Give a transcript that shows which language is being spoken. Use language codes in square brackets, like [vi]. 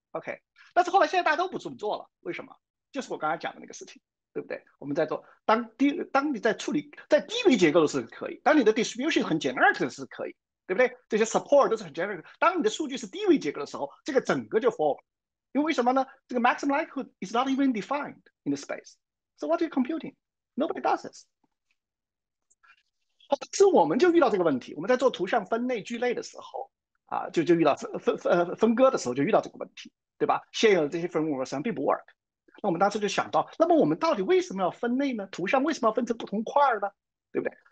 [zh] OK，但是后来现在大家都不这么做了，为什么？就是我刚才讲的那个事情，对不对？我们在做，当你在处理在低维结构的时候可以，当你的 distribution 很 generic 的时候可以，对不对？这些 support 都是很 generic。当你的数据是低维结构的时候，这个整个就 fall，因为什么呢？这个 [en] maximum likelihood is not even defined in the space。So what are you computing? Nobody does this。 [zh] 是我们就遇到这个问题，我们在做图像分类聚类的时候，啊，就遇到分割的时候就遇到这个问题，对吧？现有的这些 framework 实际上并不 work。那我们当时就想到，那么我们到底为什么要分类呢？图像为什么要分成不同块儿呢？对不对？